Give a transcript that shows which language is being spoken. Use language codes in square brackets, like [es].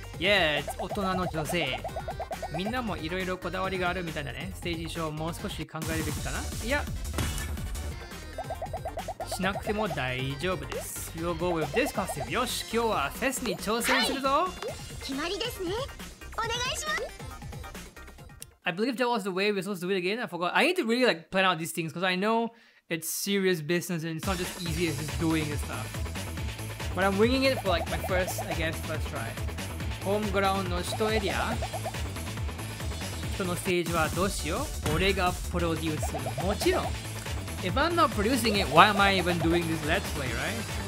[en] Yeah, it's [ja] 大人の女性。みんなもいろいろこだわりがあるみたいだね。ステージ衣装もう少し考えるべきかな。いや、しなくても大丈夫です。 [en] We'll go with this costume. [ja] よし、今日はフェスに挑戦するぞ。決まりですね。お願いします。 [en] I believe that was the way we're supposed to do it again. I forgot. I need to really like plan out these things because I know it's serious business and it's not just easy as just doing this stuff. But I'm winging it for like my first, I guess, first try. [ja] ホームグラウンドの首都エリア。人のステージはどうしよう?俺がプロデュース。もちろん [en] If I'm not producing it, why am I even doing this let's play, right?